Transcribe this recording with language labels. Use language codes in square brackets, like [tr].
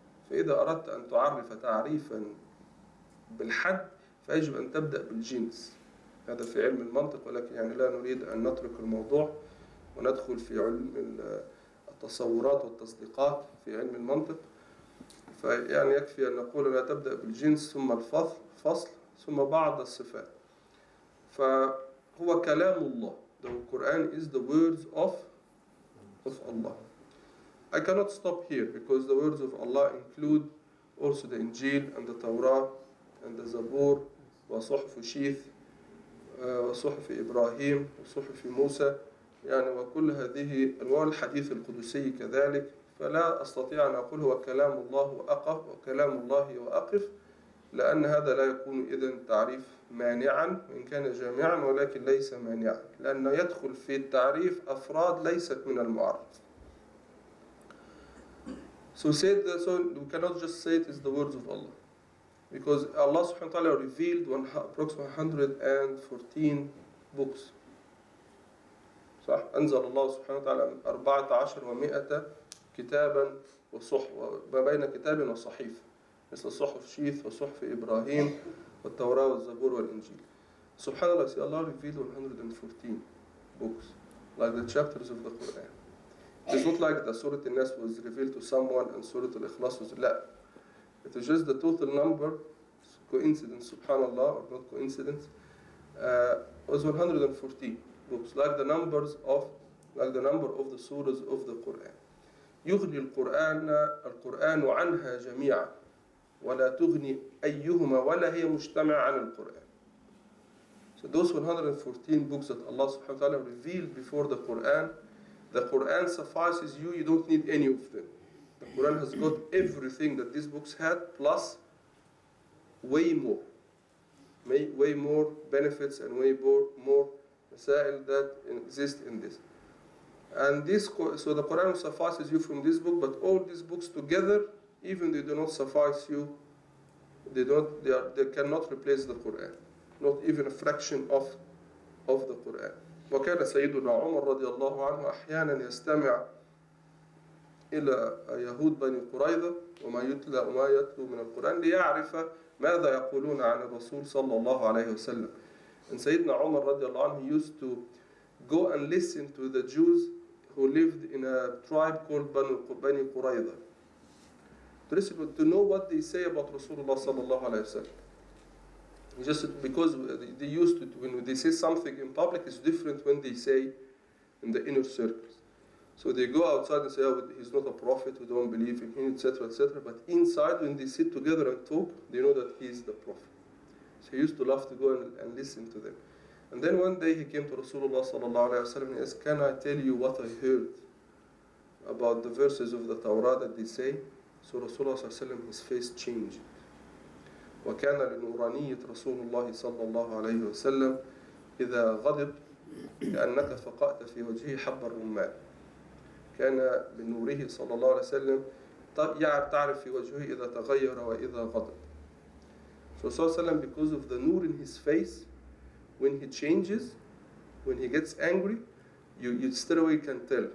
[ar] فإذا أردت أن تعرف تعريفا بالحد فيجب أن تبدأ بالجنس. هذا في علم المنطق، ولكن يعني لا نريد أن نترك الموضوع وندخل في علم التصورات والتصديقات في علم المنطق. فيعني يكفي أن نقول لا تبدأ بالجنس ثم الفصل ثم بعض الصفات. فهو كلام الله. [en] The Quran is the words of Allah. I cannot stop here because the words of Allah include also the Injil and the Torah and the Zabur, wa suhuf Sheikh, wa suhuf Ibrahim, wa suhuf Musa, [ar] يعني وكل هذه أنواع الحديث القدسي كذلك. فلا أستطيع أن أقول هو كلام الله وأقف وكلام الله وأقف، لأن هذا لا يكون إذن تعريف مانعا وإن كان جامعا ولكن ليس مانعا، لأنه يدخل في التعريف أفراد ليست من المعرف. [en] So we cannot just say it is the words of Allah, because Allah subhanahu wa ta'ala revealed approximately 114 books. [ar] صح أنزل الله سبحانه وتعالى 14 و100 كتابا وصح ما بين كتاب وصحيف مثل صحف شيث وصحف إبراهيم والتوراة والزبور والإنجيل. [en] سبحان الله. See, Allah revealed 114 books like the chapters of the Quran. It's not like the Surah Al-Nas was revealed to someone and Surah Al-Ikhlas was لا. It is just the total number, coincidence, سبحان الله or not coincidence, was 114 books, like the numbers of, like the number of the surahs of the Quran. [ar] يغني القرآن القرآن عنها جميعا ولا تغني أيهما ولا هي مجتمع عن القرآن. [en] So those 114 books that Allah subhanahu wa ta'ala revealed before the Quran suffices you, you don't need any of them. The Quran has got everything that these books had plus way more. Way more benefits and way more that exist in this. And this, so the Quran suffices you from this book, but all these books together, even they do not suffice you, they cannot replace the Quran, not even a fraction of the Quran. [ar] وكان سيدنا عمر رضي الله عنه أحيانا يستمع إلى يهود بني قريظة وما يتلى وما يتلو من القرآن ليعرف ماذا يقولون عن الرسول صلى الله عليه وسلم. [en] And Sayyidina Umar radiallahu anhu used to go and listen to the Jews who lived in a tribe called Bani Qurayza. To listen to know what they say about Rasulullah sallallahu alayhi wa sallam. Just because they used to, when they say something in public, it's different when they say in the inner circles. So they go outside and say, oh, he's not a prophet, we don't believe in him, etc., etc. But inside, when they sit together and talk, they know that he's the prophet. He used to love to go and listen to them. And then one day he came to Rasulullah sallallahu alayhi wa sallam and he asked, can I tell you what I heard about the verses of the Torah that they say? So Rasulullah sallallahu alayhi wa sallam, his face changed. [ar] وَكَانَ لِنُورَانِيَّةِ رَسُولُ اللَّهِ صَلَّى اللَّهُ عَلَيْهِ وَسَلَّمْ إِذَا غَضِبْ كَأَنَّكَ فَقَأْتَ فِي وَجْهِ حَبَّ الرُّمَّانِ. كان بنوره صلى الله عليه وسلم تعرف في وجهه إذا تغير وإذا غضب. [en] Rasulullah, because of the nur in his face, when he changes, when he gets angry, you straight away can tell.